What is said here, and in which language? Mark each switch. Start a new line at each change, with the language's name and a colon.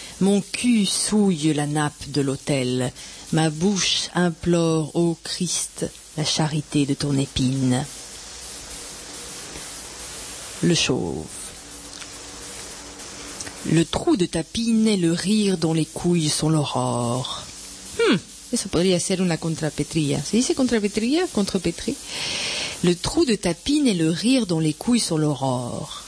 French: Mon cul souille la nappe de l'autel. Ma bouche implore, ô Christ, la charité de ton épine. Le chauve. Le trou de ta pine est le rire dont les couilles sont l'aurore.
Spanish: Eso podría ser una contrapetría. ¿Se dice contrapetría? Contrepetri.
French: Le trou de ta pine est le rire dont les couilles sont l'aurore.